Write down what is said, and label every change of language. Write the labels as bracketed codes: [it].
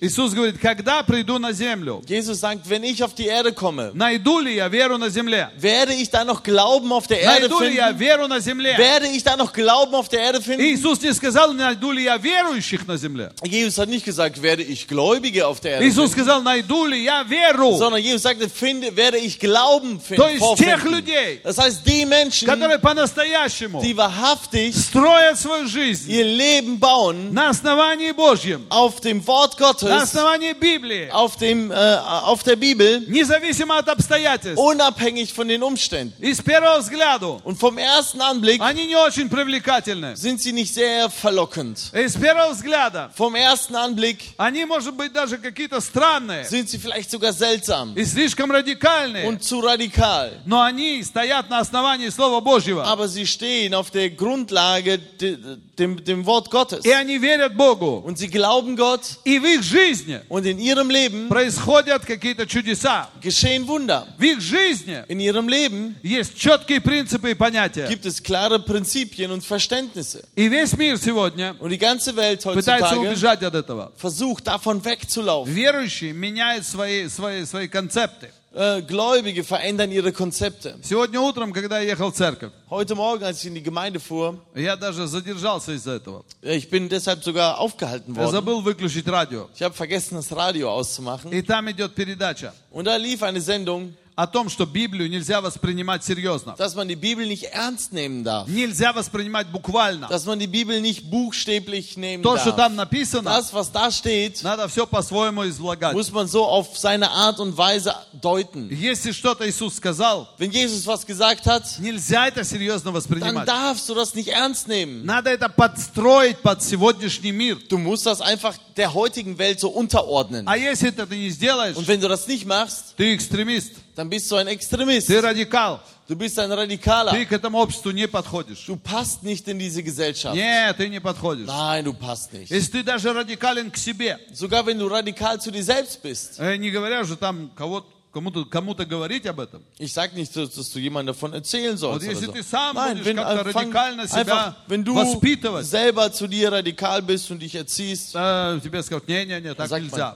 [ru] Иисус говорит, когда приду на землю, [de] Jesus sagt, wenn ich auf die Erde komme, [ru] найду ли я веру на земле? [de] Werde ich da noch Glauben auf der Erde finden? [ru] Найду ли я веру на земле? [de] Werde ich da noch Glauben auf der Erde finden? [ru] Иисус не сказал, найду ли я верующих на земле? [de] Jesus hat nicht gesagt, werde ich Gläubige auf der Erde [ru] Иисус [de] finden? [ru] Сказал, найду ли я веру? [de] Sondern Jesus sagte, werde ich Glauben finden? [ru] То есть [de] vorfinden. [ru] Тех людей, [de] das heißt, die Menschen, [ru] которые по-настоящему, [de] die wahrhaftig [ru] строят свою жизнь, [de] ihr Leben bauen [ru] на основании Божьем, [de] auf dem Wort Gottes, [ru] на основании Библии, [de] auf dem, auf der Bibel, [ru] независимо от обстоятельств, [de] unabhängig von den Umständen, [ru] и с первого взгляда, [de] und vom ersten Anblick, [ru] они не очень привлекательны, [de] sind sie nicht sehr verlockend, [ru] и с первого взгляда, [de] vom ersten Anblick, [ru] они, может быть, даже какие-то странные, [de] sind sie vielleicht sogar seltsam, [ru] и слишком радикальные, [de] und zu radikal, [ru] но они стоят на основании Слова Божьего, [de] aber sie stehen auf der Grundlage dem Wort Gottes. [ru] И они верят Богу. [de] Und sie glauben Gott. [ru] И в их жизни. [de] Und in ihrem Leben. [ru] Происходят какие-то чудеса. [de] Geschehen Wunder. [ru] В их жизни. [de] In ihrem Leben. [ru] Есть четкие принципы и понятия. [de] Gibt es klare Prinzipien und Verständnisse. [ru] И весь мир сегодня. [de] Und die ganze Welt heutzutage. [ru] Пытается убежать от этого. [de] Versucht davon wegzulaufen. [ru] Верующие меняют свои концепты. [de] Gläubige verändern ihre Konzepte. [ru] Сегодня утром, когда я ехал в церковь, [de] heute Morgen, als ich in die Gemeinde fuhr, [ru] я даже задержался из-за этого. [de] Ich bin deshalb sogar aufgehalten worden. [ru] Я забыл выключить радио. [de] Ich habe vergessen, das Radio auszumachen. [ru] И там идет передача. [de] Und da lief eine Sendung. [ru] О том, что Библию нельзя воспринимать серьезно. [de] Dass man die Bibel nicht ernst nehmen darf. [ru] Нельзя воспринимать буквально. [de] Dass man die Bibel nicht buchstäblich nehmen [ru] то, [de] darf. [ru] Что там написано, [de] das, was da steht, [ru] надо все по-своему излагать. [de] Muss man so auf seine Art und Weise deuten. [ru] Если что-то Иисус сказал, [de] wenn Jesus was gesagt hat, [ru] нельзя это серьезно воспринимать. [de] Dann darfst du das nicht ernst nehmen. [ru] Надо это подстроить под сегодняшний мир. [de] Du musst das einfach der heutigen Welt so unterordnen. [ru] А если это ты не сделаешь, [de] und wenn du das nicht machst, [ru] ты экстремист. [de] Dann bist du ein Extremist. [ru] Ты радикал. [de] Du bist ein Radikaler. [ru] Ты к этому обществу не подходишь. [de] Du passt nicht in diese Gesellschaft. [ru] Нет, ты не подходишь. [de] Nein, du passt nicht. [ru] Если ты даже радикален к себе. [de] Sogar wenn du radikal zu dir selbst bist. [ru] Не говоря уже там кому-то говорить об этом. [de] Ich sag nicht, dass du jemand davon erzählen sollst. [ru] Вот если [de] oder [ru] ты [de] so. [ru] Сам [de] Nein, [ru] будешь как-то радикально себя [de] einfach, wenn du [ru] воспитывать. [de] Selber zu dir radikal bist und dich erziehst. [ru] Тебе скажут, не, так нельзя.